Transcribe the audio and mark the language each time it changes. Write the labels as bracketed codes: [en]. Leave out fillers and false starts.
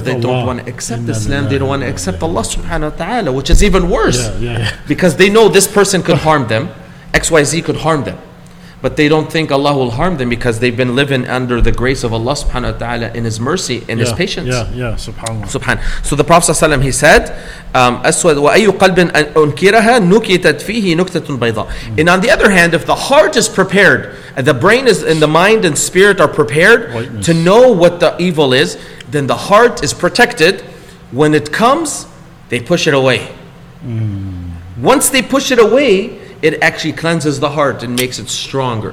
[en] They don't want to accept Islam. They don't want to accept Allah subhanahu wa ta'ala, which is even worse. Because they know this person could harm them. XYZ could harm them. But they don't think Allah will harm them because they've been living under the grace of Allah subhanahu wa ta'ala in His mercy and His patience. Subhanallah. So the Prophet ﷺ, he said, [ar] وَأَيُّ قَلْبٍ أُنْكِرَهَا نُكِتَتْ فِيهِ نُكْتَةٌ بَيْضًا. [en] And on the other hand, if the heart is prepared, and the brain is in the mind and spirit are prepared whiteness. To know what the evil is, then the heart is protected. When it comes, they push it away. Once they push it away, it actually cleanses the heart and makes it stronger.